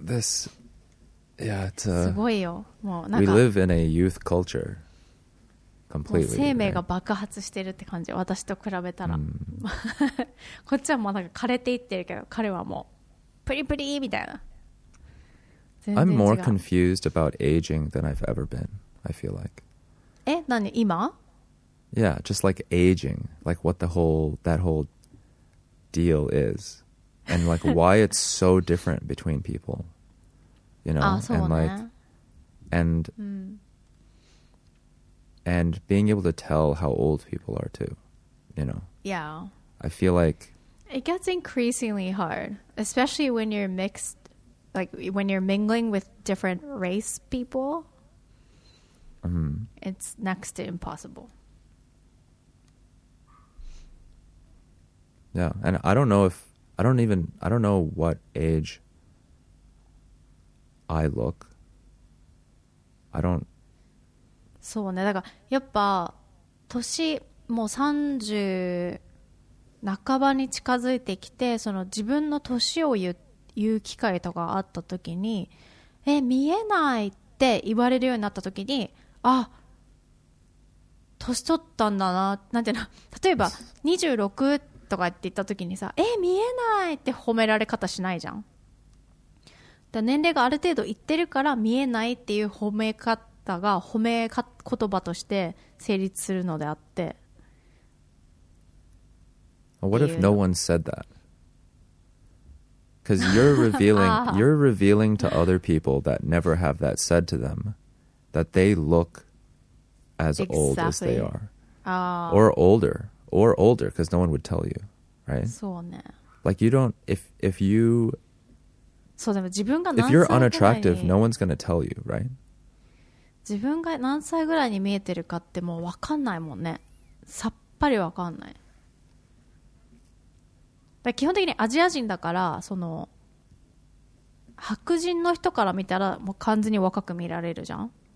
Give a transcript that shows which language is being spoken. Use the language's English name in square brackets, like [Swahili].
[Japanese] です [English] Yeah, it's a, [Japanese] すごいよ。もうなんか [English] We live in a youth culture completely. [Japanese] 生命が爆発してるって感じ、私と比べたら。こっちはもうなんか枯れていってるけど、彼はもうプリプリみたいな。 [English] I'm more confused about aging than I've ever been, I feel like. [Japanese] え、何、今？ [English] Yeah, just like aging, like what that whole deal is, and like why it's so different between people.You know, ah, so and like,、ね、 And and being able to tell how old people are too, you know. Yeah. I feel like it gets increasingly hard, especially when you're mixed, like when you're mingling with different race people. Mm-hmm. It's next to impossible. Yeah, and I don't know if I don't know what age I look. I don't. [Japanese] そうね、だからやっぱ年もう30半ばに近づいてきて、その自分の年を言う機会とかあった時に、え、見えないって言われるようになった時に、あ、年取ったんだな、なんていうの、例えば26とかって言った時にさ、え、見えないって褒められ方しないじゃん。だ、年齢がある程度いってるから見えないっていう褒め方が褒め言葉として成立するのであって。 [English] What if no one said that? Because you're revealing, you're revealing to other people that never have that said to them, that they look as old as they are, or older, because no one would tell you, right? [Japanese] そうね。 [English] Like you don't, if you, [Japanese] そうでも自分が何歳ぐらいに、 [English] if you're unattractive, no one's gonna tell you, right? [Japanese] 自分が何歳ぐらいに見えてるかってもう分かんないもんね。さっぱり分かんない。だ、基本的にアジア人だから、その白人の人から見たらもう完全に若く見られるじゃん。